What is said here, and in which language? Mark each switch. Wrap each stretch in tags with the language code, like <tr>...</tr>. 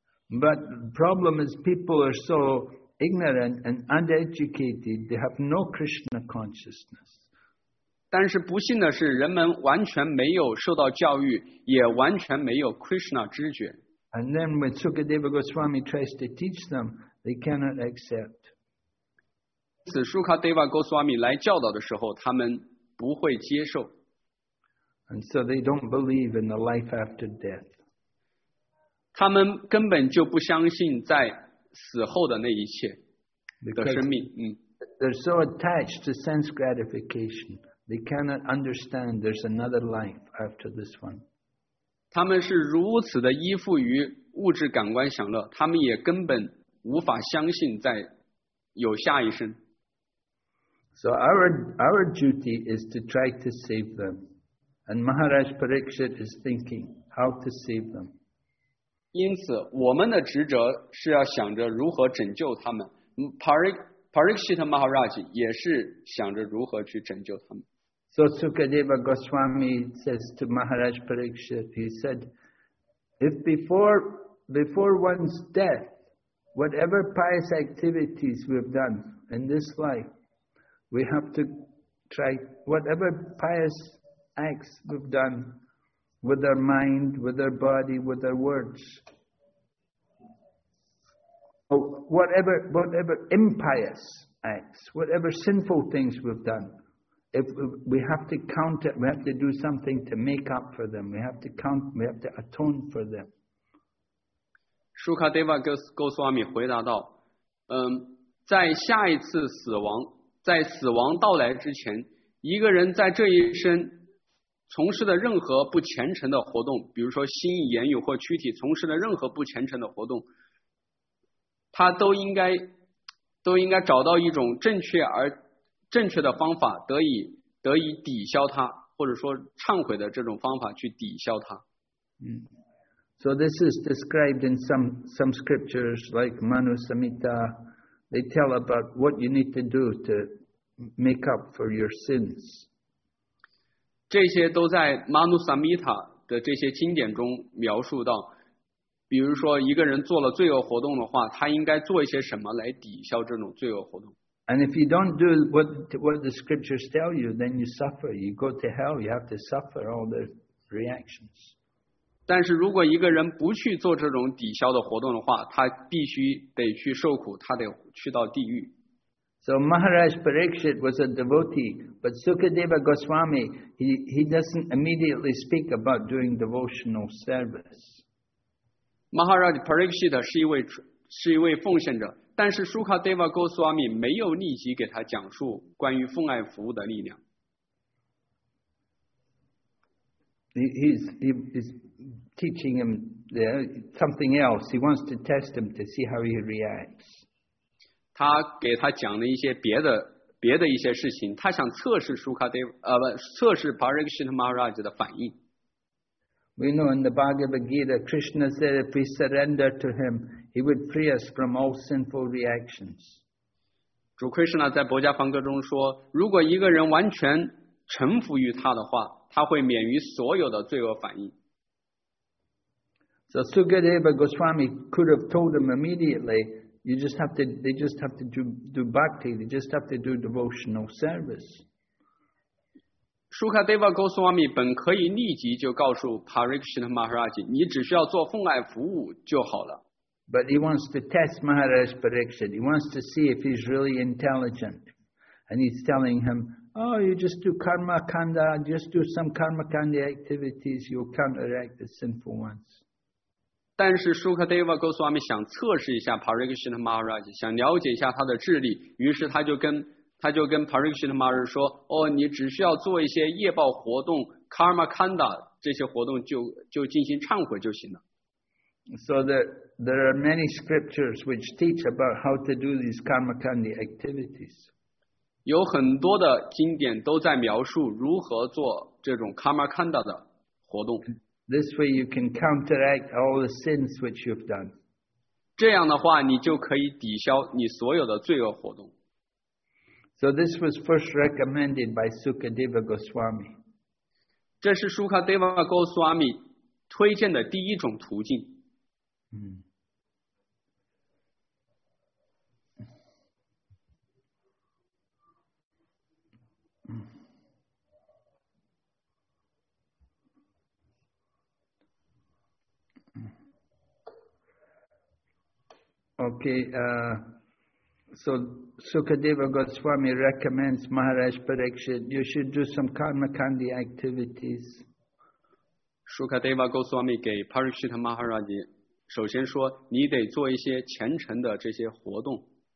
<en>But the problem is people are so ignorant and uneducated, they have no Krishna consciousness.</en> <zh>但是不幸的是人们完全没有受到教育，也完全没有 Krishna 知觉。</zh> <en>And then when Sukadeva Goswami tries to teach them, they cannot accept.</en> <zh>此 Sukadeva Goswami 来教导的时候，他们不会接受。</zh> <en>And so they don't believe in the life after death.</en> <zh>他们根本就不相信在死后的那一切的生命。</zh> <en>They're so attached to sense gratification, they cannot understand there's another life after this one.</en> <zh>他们是如此的依附于物质感官享乐，他们也根本无法相信在有下一生。</zh> <en>So our duty is to try to save them. And Maharaj Parikshit is thinking how to save them.</en> <zh>因此我们的职责是要想着如何拯救他们。 Parikshit Maharaj 也是想着如何去拯救他们。</zh> <en>So Sukadeva Goswami says to Maharaj Parikshit, he said, if before one's death, whatever pious activities we've done in this life,We have to try whatever pious acts we've done with our mind, with our body, with our words. Whatever impious acts, whatever sinful things we've done, if we have to count it, we have to do something to make up for them. We have to atone for them.</en> <zh>Sukadeva Goswami 回答道，在下一次死亡。在死亡到来之前，一个人在这一生从事的任何不虔诚的活动，比如说心意、言语或躯体从事的任何不虔诚的活动，他都应该找到一种正确的方法，得以抵消它，或者说忏悔的这种方法去抵消它。</zh> <en>So this is described in some scriptures like Manu Samhita. They tell about what you need to do to make up for your sins.</en> <zh>这些都在 Manu Samhita 的这些经典中描述到，比如说一个人做了罪恶活动的话，他应该做一些什么来抵消这种罪恶活动。</zh> <en>And if you don't do what the scriptures tell you, then you suffer. You go to hell. You have to suffer all the reactions.</en> <zh>但是如果一个人不去做这种抵消的活动的话，他必须得去受苦，他得去到地狱。</zh> <en>So Maharaj Parikshit was a devotee, but Sukadeva Goswami he doesn't immediately speak about doing devotional service.</en> <zh>Maharaj Parikshit 是一位奉献者，但是 Sukadeva Goswami 没有立即给他讲述关于奉爱服务的力量。</zh> <en>He's teaching him something else. He wants to test him to see how he reacts.</en> <zh>他给他讲了一些别的一些事情，他想测试Parikshit Maharaj 的反应。</zh> <en>We know in the Bhagavad Gita, Krishna said if we surrender to him, he would free us from all sinful reactions.</en> <zh>主 Krishna 在博迦梵歌中说，如果一个人完全臣服于他的话，他会免于所有的罪恶反应。</zh> <en>So Sukadeva Goswami could have told him immediately, they just have to do bhakti, they just have to do devotional service.</en> <zh>Sukadeva Goswami 本可以立即就告诉 Parikshit Maharaj, 你只需要做奉爱服务就好了。</zh> <en>But he wants to test Maharaj Parikshit, he wants to see if he's really intelligent. And he's telling him, oh, you just do karma kanda, just do some karma kanda activities, you'll counteract the sinful ones.</en> <zh>但是 Sukadeva Goswami 想测试一下 Parikshit Maharaj， 想了解一下他的智力，于是他就跟 Parikshit Maharaj 说：“哦，你只需要做一些业报活动 ，karma kanda 这些活动就进行忏悔就行了。”</zh> <en>So there are many scriptures which teach about how to do these karma kanda activities.</en> <zh>有很多的经典都在描述如何做这种 karma kanda 的活动。</zh> <en>This way you can counteract all the sins which you've done.</en> <zh>这样的话你就可以抵消你所有的罪恶活动。</zh> <en>So this was first recommended by Sukadeva Goswami.</en> <zh>这是 Sukadeva Goswami 推荐的第一种途径。</zh> <en>Okay, so Sukadeva Goswami recommends Maharaj Parikshit, you should do some karma kandi activities.</en> <zh>Sukadeva Goswami 给 Parikshit Maharaj 首先说你得做一些虔诚的这些活动。</zh>